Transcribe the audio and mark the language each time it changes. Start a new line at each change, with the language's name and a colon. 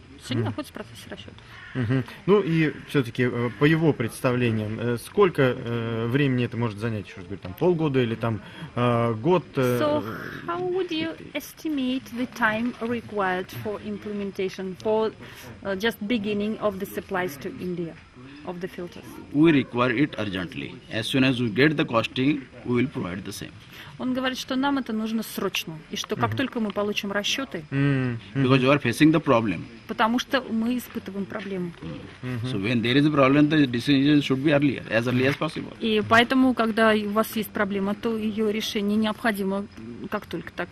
Russian: Они находятся в процессе расчетов. Ну и все-таки по его представлениям, сколько времени это может занять, еще раз говорю, там полгода или там год?
English: So how would you estimate the time required for implementation for just beginning of the supplies to India of the filters? We require it urgently. As soon as we get the costing, we will provide the same.
Russian: Он говорит, что нам это нужно срочно, и что как только мы получим расчеты,
English: because you are facing the problem.
Russian: Потому что мы испытываем проблему.
English: So when there is a problem, the decision should be earlier, as early as possible.
Russian: И поэтому, когда у вас есть проблема, то ее решение необходимо как только так.